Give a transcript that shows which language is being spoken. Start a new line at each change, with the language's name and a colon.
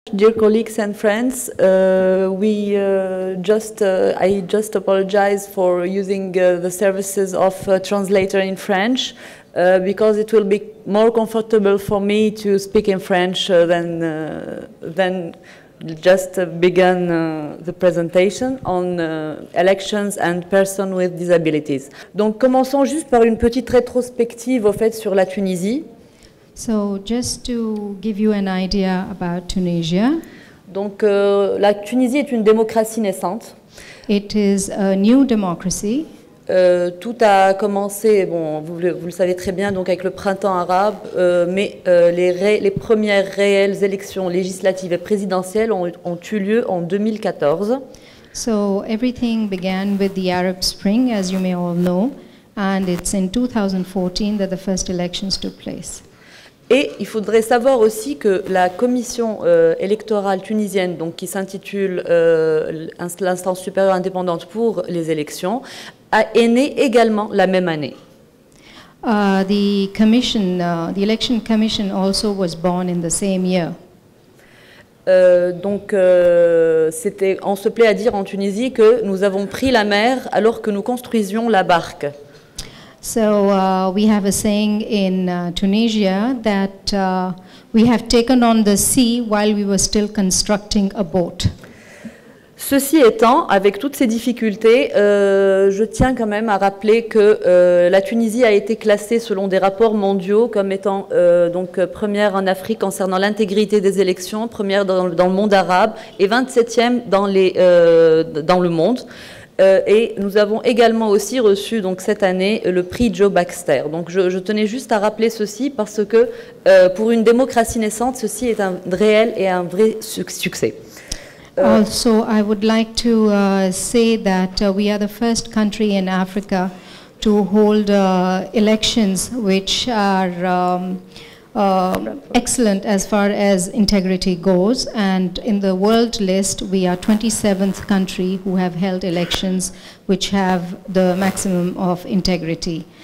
English: Dear colleagues and friends, I just apologize for using the services of a translator in French because it will be more comfortable for me to speak in French than just begin the presentation on elections and persons with disabilities.
French: Donc commençons juste par une petite rétrospective au fait sur la Tunisie.
English: So just to give you an idea about Tunisia.
French: Donc la Tunisie est une démocratie naissante.
English: It is a new democracy.
French: Tout a commencé, bon, vous le savez très bien, donc avec le printemps arabe, mais les premières réelles élections législatives et présidentielles ont eu lieu en 2014.
English: So everything began with the Arab Spring, as you may all know, and it's in 2014 that the first elections took place.
French: Et il faudrait savoir aussi que la commission électorale tunisienne, donc qui s'intitule l'instance supérieure indépendante pour les élections, est née également la même année.
English: The election commission also was born in the same year.
French: Donc, c'était, on se plaît à dire en Tunisie que nous avons pris la mer alors que nous construisions la barque.
English: So we have a saying in Tunisia that we have taken on the sea while we were still constructing a boat.
French: Ceci étant, avec toutes ces difficultés, je tiens quand même à rappeler que la Tunisie a été classée selon des rapports mondiaux comme étant donc première en Afrique concernant l'intégrité des élections, première dans le monde arabe et 27e dans le monde. Et nous avons également aussi reçu donc cette année le prix Joe Baxter. Donc je tenais juste à rappeler ceci parce que pour une démocratie naissante, ceci est un réel et un vrai succès.
English: Also, I would like to say that we are the first country in Africa to hold elections which are excellent as far as integrity goes, and in the world list we are 27th country who have held elections which have the maximum of integrity.